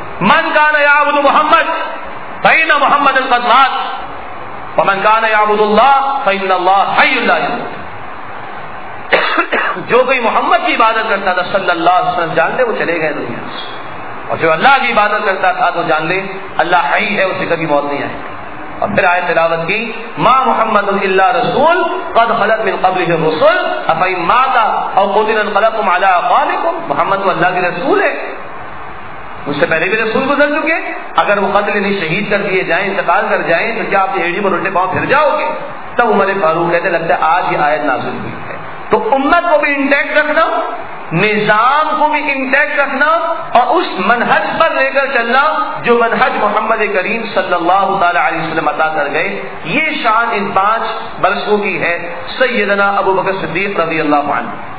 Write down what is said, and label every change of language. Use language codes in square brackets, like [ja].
[ar] من کان یعبد محمد فإن محمد قد مات ومن کان یعبد اللہ فإن اللہ حی لا یموت. [ur] جو کوئی محمد کی عبادت کرتا تھا صلی اللہ علیہ وسلم جان لے وہ چلے گئے دنیا سے, اور جو اللہ کی عبادت کرتا تھا تو جان لے اللہ حی ہے, اسے کبھی موت نہیں آئے. اور پھر آیت تلاوت کی, [ar] ما محمد الا رسول قد خلت من قبله الرسل افإن مات او قتل انقلبتم على اعقابكم. [ur] محمد اللہ کے رسول ہے, اس سے پہلے بھی رسول گزر چکے, اگر وہ قتل نہیں شہید کر دیے جائیں انتقال کر جائیں تو کیا آپ ایڑی پر الٹے پاؤں پھر جاؤ گے؟ تب عمر فاروق کہتے ہیں لگتا ہے آج یہ آیت نازل ہوئی ہے. تو امت کو بھی انٹیکٹ رکھنا, نظام کو بھی انٹیکٹ رکھنا, اور اس منحج پر لے کر چلنا جو منحج محمد کریم صلی اللہ تعالی علیہ وسلم عطا کر گئے, یہ شان ان پانچ برسوں کی ہے سیدنا ابو بکر صدیق رضی اللہ عنہ.